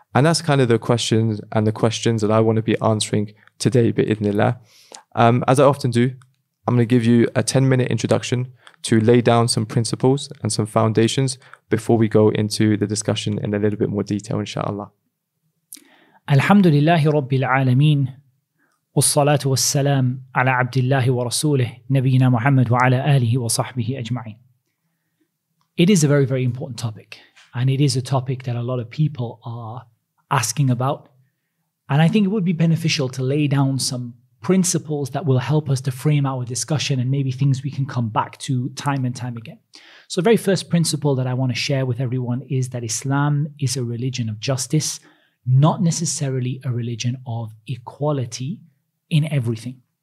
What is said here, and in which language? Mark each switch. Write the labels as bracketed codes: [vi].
[en] And that's kind of the questions and the questions that I want to be answering today, bi-idhnillah. As I often do, I'm going to give you a 10-minute introduction to lay down some principles and some foundations before we go into the discussion in a little bit more detail, inshallah. Alhamdulillahi Rabbil Alameen. [ar] والصلاة والسلام على عبد الله ورسوله نبينا محمد وعلى آله وصحبه أجمعين. [en] It is a very, very important topic. And it is a topic that a lot of people are asking about. And I think it would be beneficial to lay down some principles that will help us to frame our discussion and maybe things we can come back to time and time again. So the very first principle that I want to share with everyone is that Islam is a religion of justice, not necessarily a religion of equality in everything.